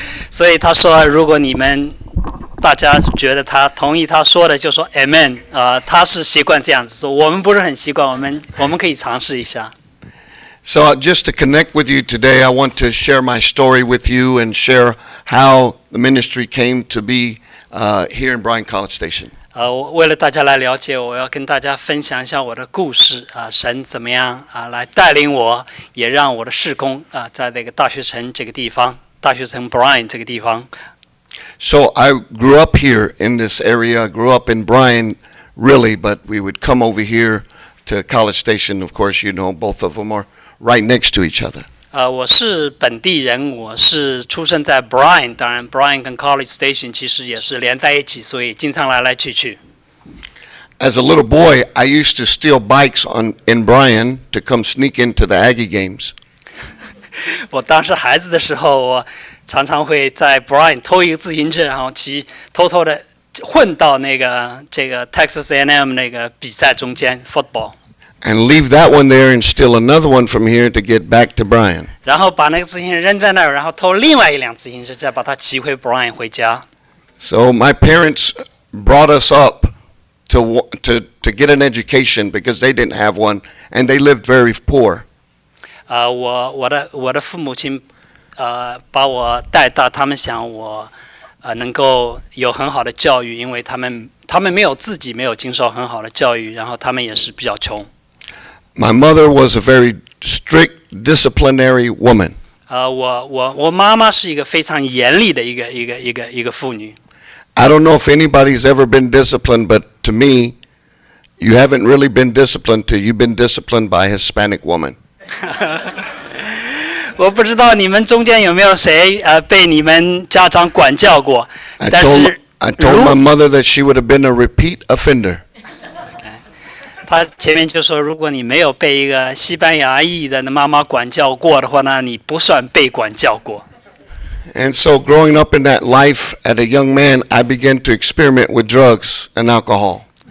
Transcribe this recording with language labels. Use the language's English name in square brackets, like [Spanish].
[Chinese] 所以他说，如果你们大家觉得他同意他说的，就说 Amen. 他是习惯这样子说。我们不是很习惯，我们可以尝试一下。 [English] So just to connect with you today, I want to share my story with you and share how the ministry came to be here in Bryan College Station. [Chinese] 为了大家来了解，我要跟大家分享一下我的故事啊，神怎么样啊来带领我，也让我的事工啊在这个大学城这个地方，大学城 Bryan 这个地方。 [English] So I grew up here in this area. I grew up in Bryan, really, but we would come over here to College Station. Of course, you know both of them are. Right next to each other. [Chinese] 我是本地人，我是出生在 Bryan， 当然 Bryan 跟 College Station 其实也是连在一起，所以经常来来去去。 [English] As a little boy, I used to steal bikes in Bryan to come sneak into the Aggie games. [Chinese] 我当时孩子的时候，我常常会在 Bryan 偷一个自行车，然后骑偷偷的混到那个这个 Texas A&M 那个比赛中间 football。 [English] And leave that one there and steal another one from here to get back to Bryan. [Chinese] 然后把那个自行车扔在那儿，然后偷另外一辆自行车，再把它骑回 Bryan 回家。 [English] So my parents brought us up to get an education because they didn't have one and they lived very poor. [Chinese] 我的父母亲把我带大，他们想我能够有很好的教育，因为他们没有自己没有经受很好的教育，然后他们也是比较穷。 [English] My mother was a very strict disciplinary woman. [Chinese] 我妈妈是一个非常严厉的一个妇女。 [English] I don't know if anybody's ever been disciplined, but to me, you haven't really been disciplined till you've been disciplined by a Hispanic woman. [Chinese] 我不知道你们中间有没有谁被你们家长管教过，但是 [English] I told my mother that she would have been a repeat offender. [Chinese] 他前面就说，如果你没有被一个西班牙裔的妈妈管教过的话，那你不算被管教过。 [English] And so, growing up in that life at a young man, I began to experiment with drugs and alcohol.